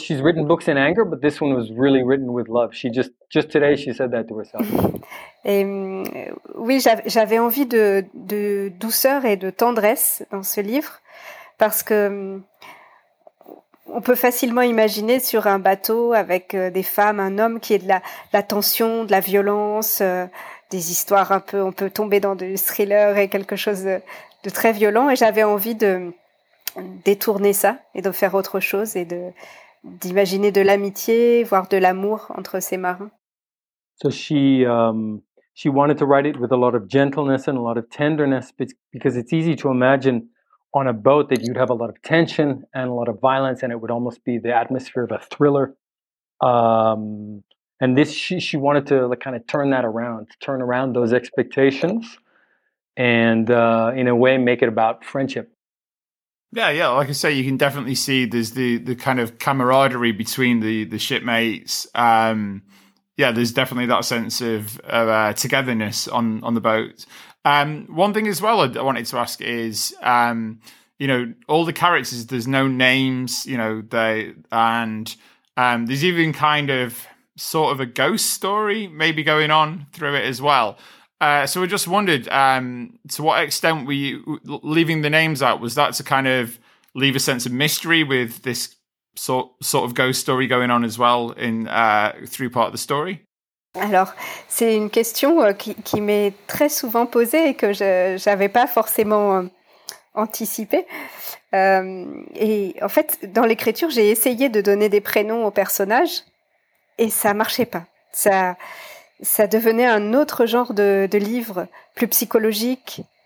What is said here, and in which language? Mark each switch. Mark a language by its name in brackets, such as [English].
[English] She's written books in anger, but this one was really written with love. She just today, she said that to herself. [French] Et oui, j'avais envie de douceur et de tendresse dans ce livre parce que. On peut facilement imaginer sur un bateau avec des femmes, un homme qui est de la tension, de la violence, des histoires un peu. On peut tomber dans du thriller et quelque chose de très violent. Et j'avais envie de détourner ça et de faire autre chose et d'imaginer de l'amitié, voire de l'amour entre ces marins. [English] So she wanted to write it with a lot of gentleness and a lot of tenderness because it's easy to imagine. On a boat, that you'd have a lot of tension and a lot of violence, and it would almost be the atmosphere of a thriller. And this, she wanted to like, kind of turn that around, to turn around those expectations, and in a way, make it about friendship. Yeah. Like I say, you can definitely see there's the kind of camaraderie between the shipmates. Yeah, there's definitely that sense of togetherness on the boat. One thing as well I wanted to ask is, you know, all the characters, there's no names, you know, there's even kind of sort of a ghost story maybe going on through it as well. So I just wondered, to what extent were you leaving the names out? Was that to kind of leave a sense of mystery with this sort of ghost story going on as well in through part of the story? [French] Alors, c'est une question qui m'est très souvent posée et que je n'avais pas forcément anticipée. Et en fait, dans l'écriture, j'ai essayé de donner des prénoms aux personnages et ça ne marchait pas. Ça devenait un autre genre de livre, plus psychologique.